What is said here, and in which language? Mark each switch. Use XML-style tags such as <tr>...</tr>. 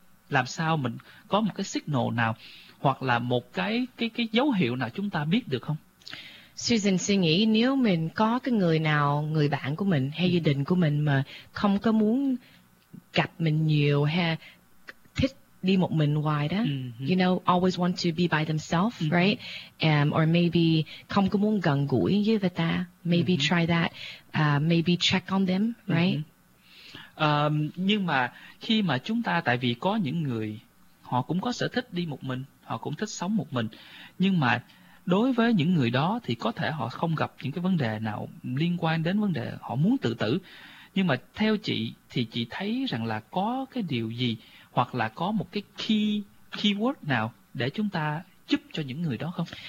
<vi>Làm sao mình có một cái signal nào, hoặc là một cái dấu hiệu nào chúng ta biết được không? Susan suy nghĩ nếu mình có cái người nào, người bạn của mình hay gia đình của mình mà không có muốn gặp mình nhiều hay thích đi một mình ngoài đó,</vi> <en>you know, always want to be by themselves, right? Or maybe</en> <vi>không có muốn gần gũi với ta,</vi> <en>maybe try that, maybe check on them, right?</en> <vi>Nhưng mà khi mà chúng ta, tại vì có những người họ cũng có sở thích đi một mình, họ cũng thích sống một mình, nhưng mà đối với những người đó thì có thể họ không gặp những cái vấn đề nào liên quan đến vấn đề họ muốn tự tử. Nhưng mà theo chị thì chị thấy rằng là có cái điều gì, hoặc là có một cái keyword nào để chúng ta giúp cho những người đó không?</vi>